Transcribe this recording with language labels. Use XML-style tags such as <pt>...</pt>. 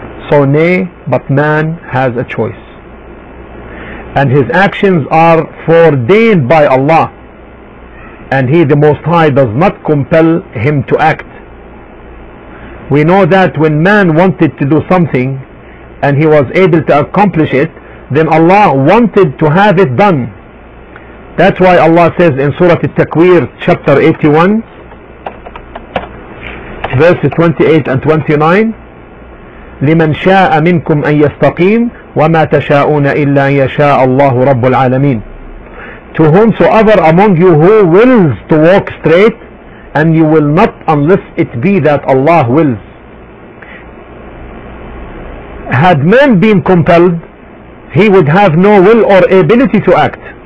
<en>So nay, but man has a choice. And his actions are foreordained by Allah. And He, the Most High, does not compel him to act. We know that when man wanted to do something and he was able to accomplish it, then Allah wanted to have it done. That's why Allah says in Surah Al-Takwir, chapter 81, verses 28 and 29,</en> <ar>لمن شاء منكم أن يستقيم وما تشاءون إلا يشاء الله رب العالمين.</ar> <en>To whomsoever among you who wills to walk straight, and you will not unless it be that Allah wills. Had man been compelled, he would have no will or ability to act.</en>